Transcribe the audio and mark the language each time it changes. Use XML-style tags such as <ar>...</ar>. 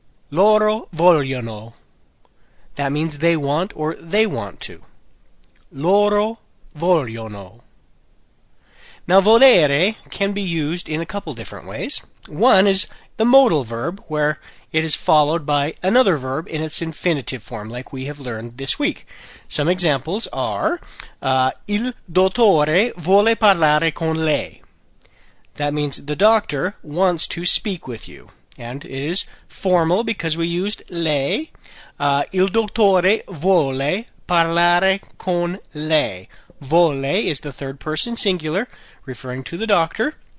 <it>Loro vogliono.</it> <en>That means they want or they want to.</en> <it>Loro vogliono.</it> <en>Now, volere can be used in a couple different ways. One is the modal verb, where it is followed by another verb in its infinitive form, like we have learned this week. Some examples are,</en> <it>il dottore vuole parlare con lei.</it> <en>That means the doctor wants to speak with you. And it is formal because we used lei.</en> <it>Il dottore vuole parlare con lei.</it> <en>Vuole is the third person singular, referring to the doctor.</en>